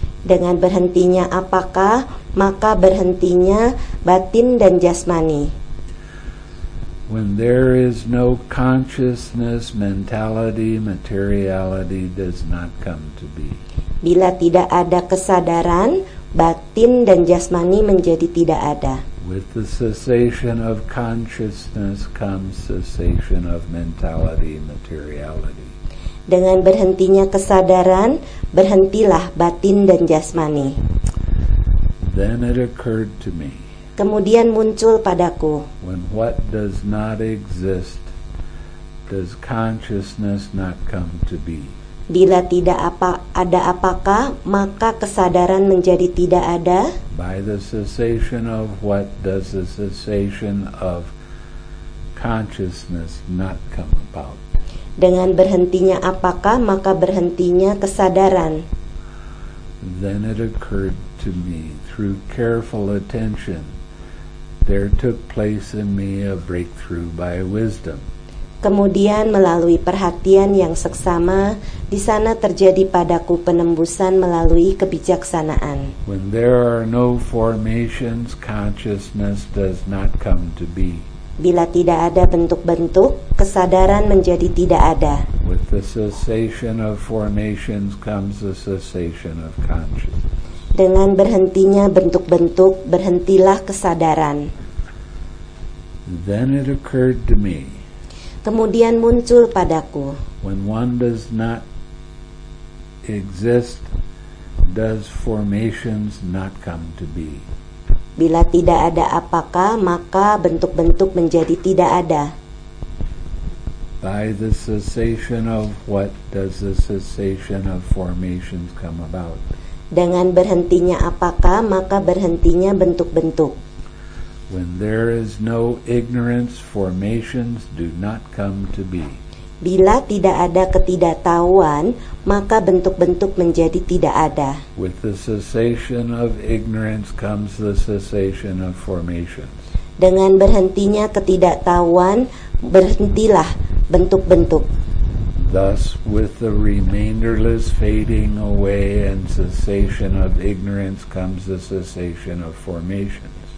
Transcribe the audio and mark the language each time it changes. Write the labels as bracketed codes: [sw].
[id] Dengan berhentinya apakah, maka berhentinya batin dan jasmani. [en] When there is no consciousness, mentality, materiality does not come to be. [id] Bila tidak ada kesadaran, batin dan jasmani menjadi tidak ada. [en] With the cessation of consciousness comes cessation of mentality, materiality. [id] Dengan berhentinya kesadaran, berhentilah batin dan jasmani. [en] Then it occurred to me. [id] Kemudian muncul padaku. [en] When what does not exist, does consciousness not come to be? [id] Bila tidak apa, ada apakah, maka kesadaran menjadi tidak ada. [en] By the cessation of what does the cessation of consciousness not come about? [id] Dengan berhentinya apakah, maka berhentinya kesadaran. [en] Then it occurred to me through careful attention. There took place in me a breakthrough by wisdom. [id] Kemudian melalui perhatian yang seksama, di sana terjadi padaku penembusan melalui kebijaksanaan. [en] When there are no formations, consciousness does not come to be. [id] Bila tidak ada bentuk-bentuk, kesadaran menjadi tidak ada. [en] With the cessation of formations comes the cessation of consciousness. [id] Dengan berhentinya bentuk-bentuk, berhentilah kesadaran. [en] Then it occurred to me. [id] Kemudian muncul padaku. [en] When one does not exist, does formations not come to be? [id] Bila tidak ada apakah, maka bentuk-bentuk menjadi tidak ada. [en] By the cessation of what does the cessation of formations come about? [id] Dengan berhentinya apakah, maka berhentinya bentuk-bentuk. [en] When there is no ignorance, formations do not come to be. [id] Bila tidak ada ketidaktahuan, maka bentuk-bentuk menjadi tidak ada. [en] With the cessation of ignorance comes the cessation of formations. [id] Dengan berhentinya ketidaktahuan, berhentilah bentuk-bentuk. [en] Thus, with the remainderless fading away and cessation of ignorance comes the cessation of formations.